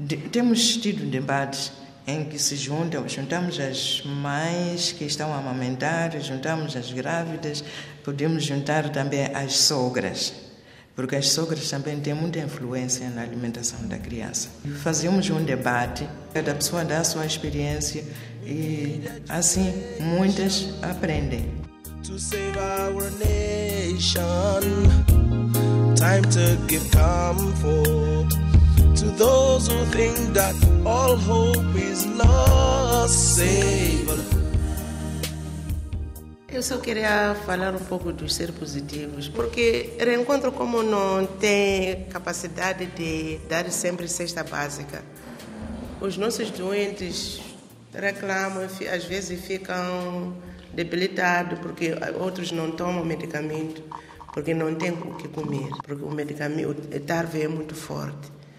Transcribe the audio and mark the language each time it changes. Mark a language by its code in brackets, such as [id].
[pt] Temos tido debates em que se juntamos as mães que estão a amamentar, juntamos as grávidas, podemos juntar também as sogras, porque as sogras também têm muita influência na alimentação da criança. Fazemos um debate, cada pessoa dá a sua experiência e assim muitas aprendem. [en] To save our nation, time to give comfort to those who think that all hope is lost. Save. [pt] Eu só queria falar um pouco dos ser positivos, porque Reencontro, como não tem capacidade de dar sempre cesta básica, os nossos doentes reclamam, às vezes ficam debilitados porque outros não tomam medicamento, porque não têm o que comer, porque o medicamento, o tarve é muito forte.